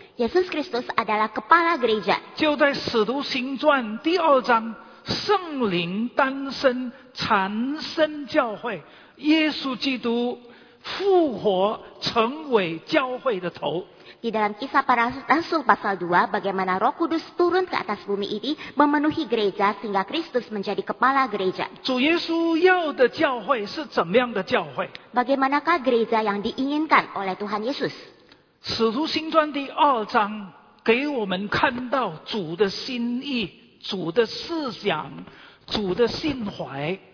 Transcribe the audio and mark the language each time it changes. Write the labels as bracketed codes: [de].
[id] Yesus Kristus adalah kepala gereja. [zh] 就在使徒行传第二章, 圣灵单身, 产生教会, 耶稣基督复活, 成为教会的头. [id] Di dalam Kisah Para Rasul pasal 2, bagaimana Roh Kudus turun ke atas bumi ini memenuhi gereja sehingga Kristus menjadi kepala gereja. [zh] 主耶稣要的教会是怎么样的教会? [id] Bagaimanakah gereja yang diinginkan oleh Tuhan Yesus? [zh] 使徒行传第二章给我们看到主的心意、主的思想、主的心怀。